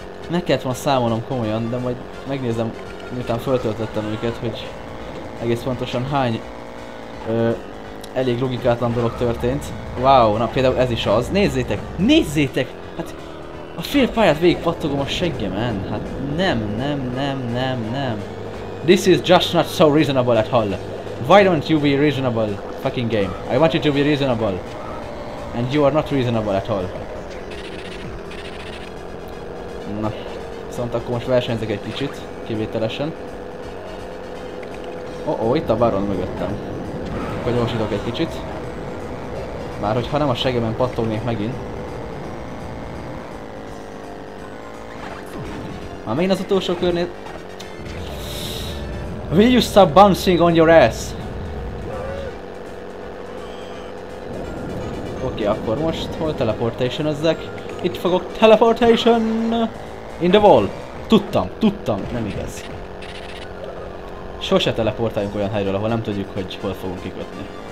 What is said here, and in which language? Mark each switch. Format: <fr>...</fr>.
<hu>Meg kellett volna számolnom komolyan, de majd megnézem, miután feltöltöttem őket, hogy egész pontosan hány elég logikátlan dolog történt. Wow, na például ez is az. Nézzétek! Hát a fél pályát végig pattogom a seggemen. Hát nem.</hu> <en>This is just not so reasonable at all. Why don't you be reasonable, fucking game? I want you to be reasonable. And you are not reasonable at all.</en> <hu>Na, viszont akkor most versenyzek egy kicsit, kivételesen. Oh, itt a Baron mögöttem. Akkor gyorsítok egy kicsit. Bár hogyha nem a segemen pattognék megint. Már megint az utolsó körnél...</hu> <en>Will you stop bouncing on your ass?</en> <hu>Oké, akkor most hol teleportation ezek? Itt fogok</hu> <en>teleportation in the wall.</en> <hu>Tudtam, nem igaz. Sose teleportáljunk olyan helyről, ahol nem tudjuk, hogy hol fogunk kikötni.</hu>